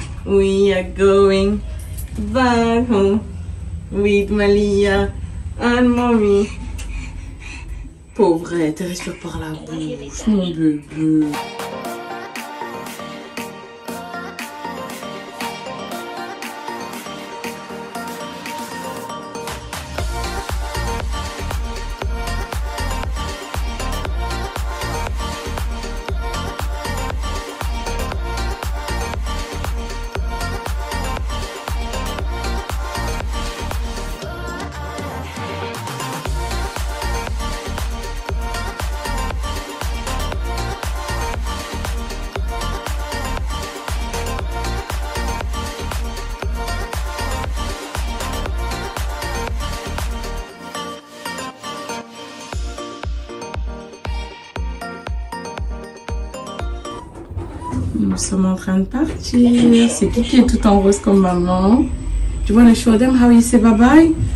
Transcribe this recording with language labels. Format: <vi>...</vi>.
<en>We are going back home with Malia and mommy.</en> <fr>Pauvre, elle respire par la bouche, mon bébé. Nous sommes en train de partir. C'est qui est tout en rose comme maman?</fr> <en>Do you want to show them how you say bye-bye?</en>